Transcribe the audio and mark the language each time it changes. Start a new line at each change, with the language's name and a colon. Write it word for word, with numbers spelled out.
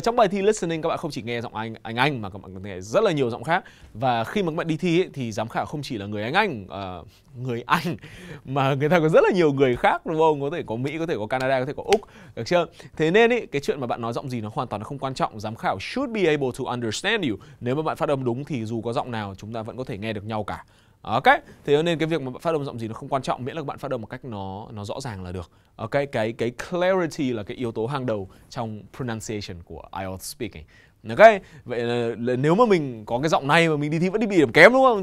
Vietnamese: Trong bài thi listening các bạn không chỉ nghe giọng Anh Anh Anh mà các bạn nghe rất là nhiều giọng khác. Và khi mà các bạn đi thi ấy, thì giám khảo không chỉ là người Anh Anh, uh, người Anh mà người ta có rất là nhiều người khác, đúng không? Có thể có Mỹ, có thể có Canada, có thể có Úc, được chưa? Thế nên ấy, cái chuyện mà bạn nói giọng gì nó hoàn toàn không quan trọng. Giám khảo
English: should be able to understand you.
Vietnamese: Nếu mà bạn phát âm đúng thì dù có giọng nào chúng ta vẫn có thể nghe được nhau cả. Ok, thế nên cái việc mà bạn phát âm giọng gì nó không quan trọng, miễn là các bạn phát âm một cách nó nó rõ ràng là được. Ok, cái cái clarity là cái yếu tố hàng đầu trong pronunciation của ai eo speaking. Ok, vậy là, là nếu mà mình có cái giọng này mà mình đi thi vẫn đi bị điểm kém, đúng không?